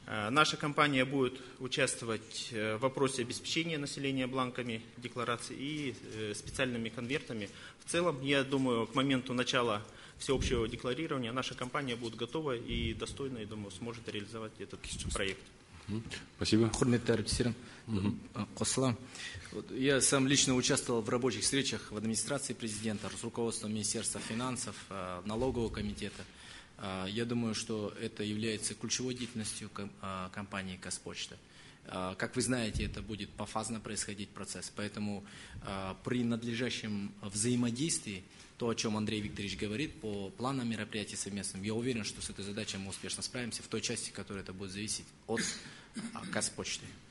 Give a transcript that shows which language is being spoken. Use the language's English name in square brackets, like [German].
[Russian] Наша компания будет участвовать в вопросе обеспечения населения бланками декларации и специальными конвертами. В целом, я думаю, к моменту начала всеобщего декларирования наша компания будет готова и достойна, я думаю, сможет реализовать этот проект. Спасибо. [Kazakh] Құрметті әріптестерім, қосылам. [Russian] Я сам лично участвовал в рабочих встречах в администрации президента, с руководством Министерства финансов, налогового комитета. Я думаю, что это является ключевой деятельностью компании «Казпочта». Как вы знаете, это будет пофазно происходить процесс. Поэтому при надлежащем взаимодействии, то, о чем Андрей Викторович говорит, по планам мероприятий совместным, я уверен, что с этой задачей мы успешно справимся в той части, которая это будет зависеть от «Казпочты».